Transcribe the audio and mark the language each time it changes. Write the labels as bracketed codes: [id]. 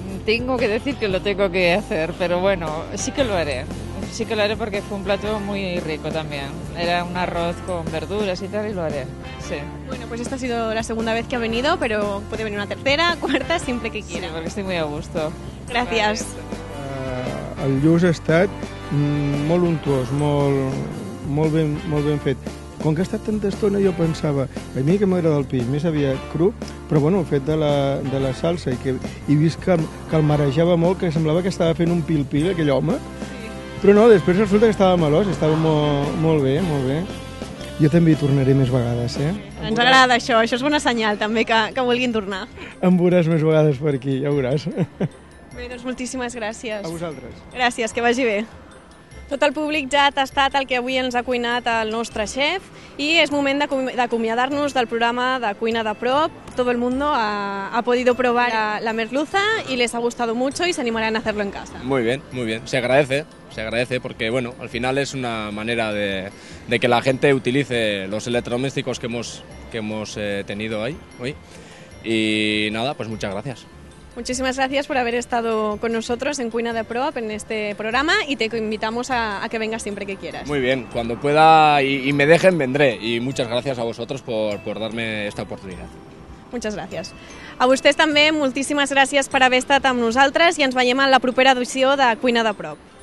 [es] Tengo que decir que lo tengo que hacer, pero bueno, sí que lo haré. Sí que lo haré porque fue un plato muy rico también. Era un arroz con verduras y tal, y lo haré, sí. Bueno, pues esta ha sido la segunda vez que ha venido, pero puede venir una tercera, cuarta, siempre que quiera. Sí, porque estoy muy a gusto. Gracias. [ca] El lluç ha estat molt untuós, molt ben fet. Com que ha estat tanta estona, jo pensava, a mi que m'agrada el peix, més aviat cru, però bueno, el fet de la salsa, i vist que el marejava molt, que semblava que estava fent un pil-pil, aquell home. Però no, després resulta que estava malós, estava molt bé, molt bé. Jo també hi tornaré més vegades, eh? Ens agrada això és bona senyal també, que vulguin tornar. Em veuràs més vegades per aquí, ja veuràs. Bé, doncs moltíssimes gràcies. A vosaltres. Gràcies, que vagi bé. Tot el públic ja ha tastat el que avui ens ha cuinat el nostre xef i és moment d'acomiadar-nos del programa de Cuina de Prop. Tot el món [es] ha podido provar la merluza i les ha gustado mucho i s'animaran a hacerlo en casa. Muy bien, muy bien. Se agradece porque, bueno, al final es una manera de que la gente utilice los electrodomésticos que hemos tenido hoy. Y nada, pues muchas gracias. Muchísimas gracias por haber estado con nosotros en Cuina de Pro en este programa y te invitamos a que vengas siempre que quieras. Muy bien, cuando pueda y me dejen, vendré. Y muchas gracias a vosotros por darme esta oportunidad. Muchas gracias. [ca] A vostès també, moltíssimes gràcies per haver estat amb nosaltres i ens veiem a la propera edició de Cuina de Prop.